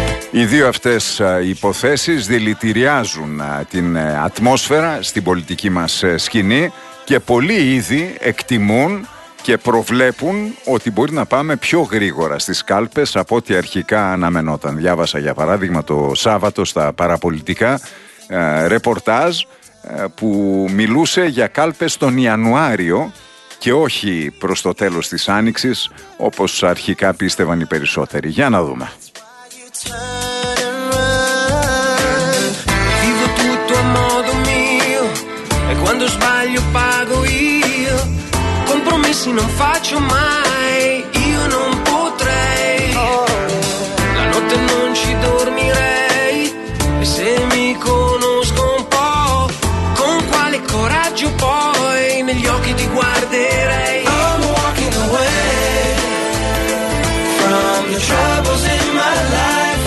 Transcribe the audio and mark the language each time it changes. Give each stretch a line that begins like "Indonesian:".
Greek: Οι δύο αυτές υποθέσεις δηλητηριάζουν την ατμόσφαιρα στην πολιτική μας σκηνή και πολλοί ήδη εκτιμούν και προβλέπουν ότι μπορεί να πάμε πιο γρήγορα στις κάλπες από ό,τι αρχικά αναμενόταν. Διάβασα για παράδειγμα το Σάββατο στα παραπολιτικά ρεπορτάζ που μιλούσε για κάλπες τον Ιανουάριο και όχι προς το τέλος της Άνοιξης όπως αρχικά πίστευαν οι περισσότεροι. Για να δούμε.
Italian: Vivo tutto a modo mio e quando sbaglio pago io. Compromessi non faccio mai, io non potrei. La notte non ci dormirei e se mi conosco un po', con quale coraggio poi negli occhi ti guarderei.
English: I'm walking away from the troubles in my life.